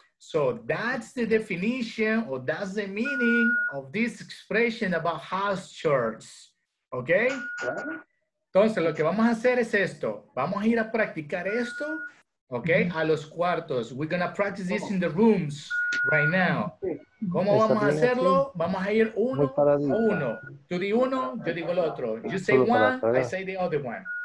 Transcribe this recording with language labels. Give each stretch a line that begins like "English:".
English: So that's the definition or that's the meaning of this expression about house chores. Okay?
Spanish: Entonces, lo que vamos a hacer es esto. Vamos a ir a practicar esto. Okay, a los cuartos.
English: We're going to practice this in the rooms right now.
Spanish: ¿Cómo vamos a hacerlo? Vamos a ir uno. Tú di uno, yo digo el otro.
English: You say one, I say the other one.